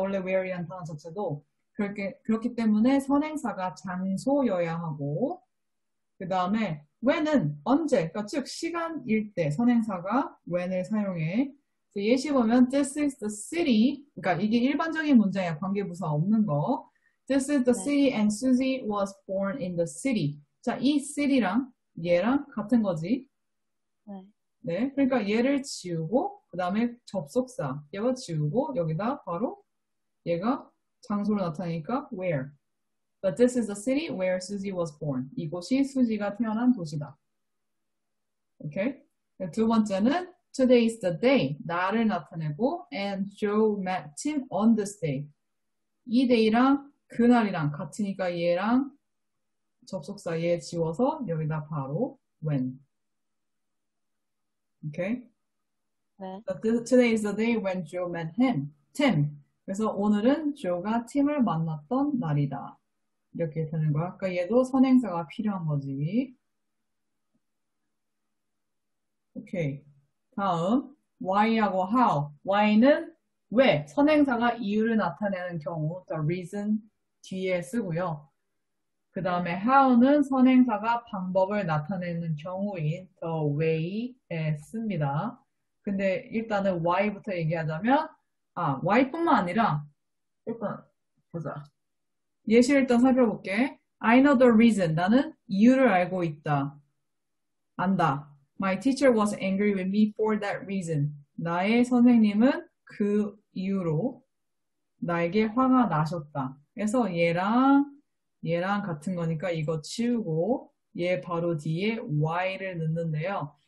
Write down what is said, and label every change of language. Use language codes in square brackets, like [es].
[ko] 원래 where이라는 단어 자체도. 그렇기 때문에 선행사가 장소여야 하고, 그 다음에 when은 언제, 그러니까 즉 시간일 때 선행사가 when을 사용해. 예시 보면 [en] this is the city. [ko] 그러니까 이게 일반적인 문장이야. 관계부사 없는 거. [en] This is the city and Susie was born in the city. [ko] 자, 이 city랑 얘랑 같은 거지. 네, 그러니까 얘를 지우고 그다음에 접속사 얘가 지우고 여기다 바로 얘가 장소로 나타나니까 where. [en] But this is the city where Susie was born. [ko] 이곳이 수지가 태어난 도시다. 오케이. [en] Okay? [ko] 두 번째는 [en] today is the day. [ko] 날을 나타내고 [en] and Joe met Tim on this day. [ko] 이 데이랑 그날이랑 같으니까 얘랑 접속사 얘 지워서 여기다 바로 when. 오케이. [en] Okay? But today is the day when Joe met him. [ko] Tim. 그래서 오늘은 Joe가 Tim을 만났던 날이다. 이렇게 되는 거야. 아까 얘도 선행사가 필요한 거지. 오케이. 다음, why하고 how. why는 왜, 선행사가 이유를 나타내는 경우, the reason 뒤에 쓰고요. 그 다음에 how는 선행사가 방법을 나타내는 경우인 the way에 씁니다. 근데 일단은 why부터 얘기하자면, 아, why뿐만 아니라, 일단 보자. 예시를 일단 살펴볼게. [en] I know the reason. [ko] 나는 이유를 알고 있다. 안다. [en] My teacher was angry with me for that reason. [ko] 나의 선생님은 그 이유로 나에게 화가 나셨다. 그래서 얘랑 같은 거니까 이거 치우고 얘 바로 뒤에 why를 넣는데요.